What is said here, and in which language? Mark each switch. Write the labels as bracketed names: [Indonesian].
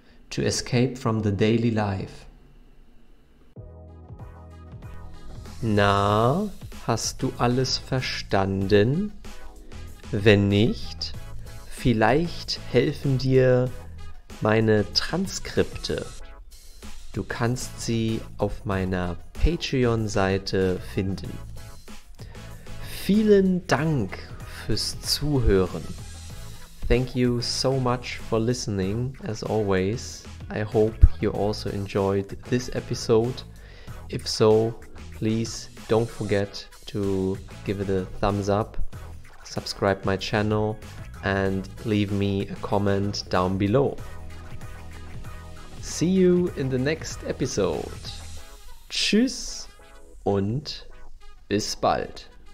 [English] To escape from the daily life. [German] Na, hast du alles verstanden? Wenn nicht, vielleicht helfen dir meine Transkripte. Du kannst sie auf meiner Patreon-Seite finden. Vielen Dank fürs Zuhören. [English] Thank you so much for listening, as always. I hope you also enjoyed this episode. If so, please don't forget to give it a thumbs up, subscribe my channel, and leave me a comment down below. See you in the next episode. [German] Tschüss und bis bald.